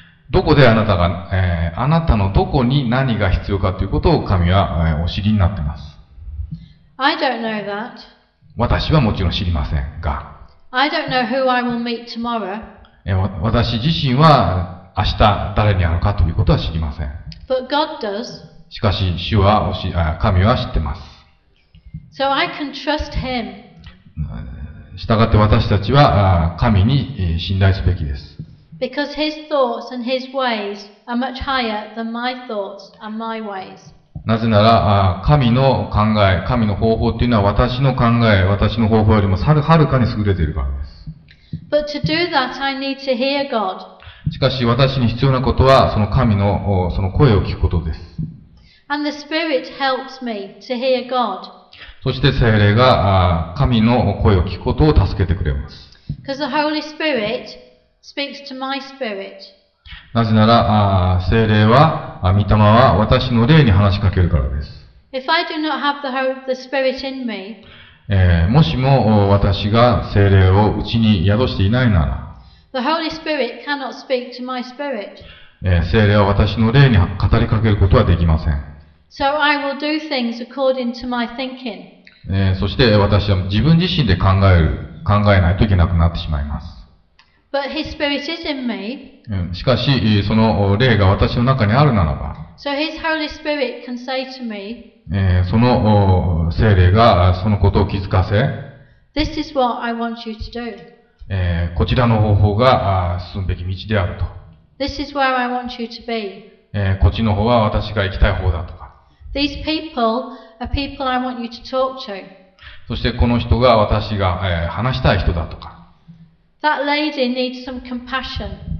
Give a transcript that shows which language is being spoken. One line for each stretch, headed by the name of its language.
Japanese: どこであなたが、あなたのどこに何が必要かということを神は、お知りになっています。
English: I don't know that.
Japanese: 私はもちろん知りませんが。
English: I don't know who I will meet tomorrow.
Japanese: 私自身は明日誰に会うかということは知りません。
English: But God does.
Japanese: しかし主は神は知ってます。
English: So I can trust him.
Japanese: 従って私たちは神に信頼すべきです。
English: Because his thoughts and his ways are much higher than my thoughts and my ways.
Japanese: なぜなら神の考え、神の方法というのは私の考え、私の方法よりもはるかに優れているからです。
English: But to do that, I need to hear God.
Japanese: しかし私に必要なことはその神のその声を聞くことです。
English: And the Spirit helps me to hear God.
Japanese: そして聖霊が神の声を聞くことを助けてくれます。
English: Because the Holy Spirit speaks to my spirit.
Japanese: なぜなら聖霊は御霊は私の霊に話しかけるからです。
English: If I do not have the Spirit in me,
Japanese: もしも私が聖霊を内に宿していないなら、
English: The Holy Spirit cannot speak to my spirit.
Japanese: 聖霊は私の霊に語りかけることはできません。
English: So I will do things according to my thinking.
Japanese: そして私は自分自身で考えないといけなくなってしまいます。
English: But his spirit is in me.
Japanese: しかし、その霊が私の中にあるならば、
English: So his Holy Spirit can say to me,
Japanese: その聖霊がそのことを気づかせ、
English: This is what I want you to do.
Japanese: こちらの方法が進むべき道であると。
English: This is where I want you to be.
Japanese: こっちの方は私が行きたい方だとか。
English: These people are people I want you to talk to.
Japanese: そしてこの人が私が話したい人だとか。
English: That lady needs some compassion.